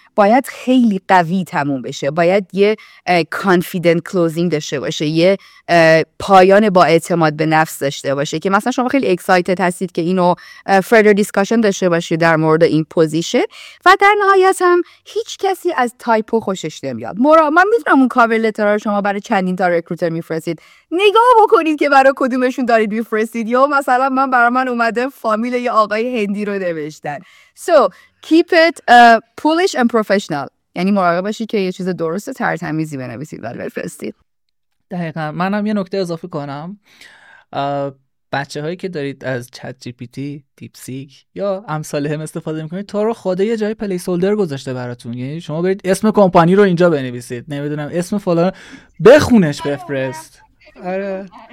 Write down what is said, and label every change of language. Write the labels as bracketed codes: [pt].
[fa] باید خیلی قوی تموم بشه، باید یه [en] confident closing [fa] داشته باشه، یه پایان با اعتماد به نفس داشته باشه که مثلا شما خیلی excited هستید که اینو [en] further discussion [fa] داشته باشید در مورد این position. و در نهایت هم هیچ کسی از تایپو خوشش نمیاد. من میدونم اون cover letter رو شما برای چندین تا recruiter میفرستید، نگاه بکنید که برای کدومشون دارید میفرستید. یا مثلا من برای من اومده فامیل یه آقای هندی رو نوشتن. [en] So keep it polished and professional. [fa] یعنی مراقب باشید که یه چیز درست ترتمیزی بنویسید و بفرستید. دقیقا. منم یه نکته اضافه کنم. بچه هایی که دارید از چت جی پی تی، دیپ سیک یا امثال هم استفاده میکنید، تو رو خدا یه جای پلیس هولدر گذاشته براتون. یعنی شما برید اسم کمپانی رو اینجا بنویسید، نمیدونم اسم فلان بخونش بفرست. آره.